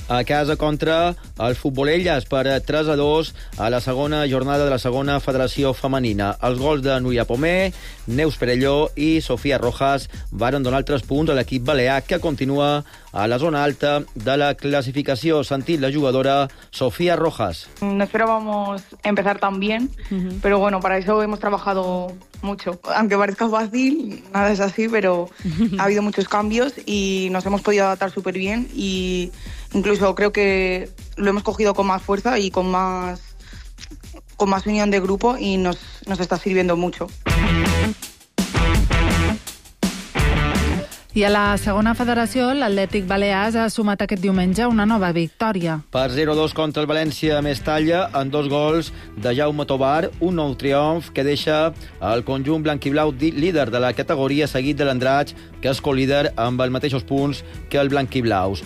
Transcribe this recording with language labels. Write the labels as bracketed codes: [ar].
[ca] A casa contra el Futbolelles per 3-2 a la segona jornada de la segona federació femenina. Els gols de Núria Pomé, Neus Perelló i Sofia Rojas varen donar 3 punts a l'equip balear que continua a la zona alta de la classificació. Sentit la jugadora Sofia Rojas. [es] No esperábamos empezar tan bien, pero bueno, para eso hemos trabajado mucho. Aunque parezca fácil, nada es así, pero ha habido muchos cambios y nos hemos podido adaptar súper bien y incluso creo que lo hemos cogido con más fuerza y con más unión de grupo y nos está sirviendo mucho. [ca] I a la segona federació, l'Atlètic Balears ha sumat aquest diumenge una nova victòria. Per 0-2 contra el València Mestalla, amb dos gols de Jaume Tobar, un nou triomf que deixa el conjunt blanquiblau líder de la categoria, seguit de l'Andratx, que és co-líder amb els mateixos punts que el blanquiblaus.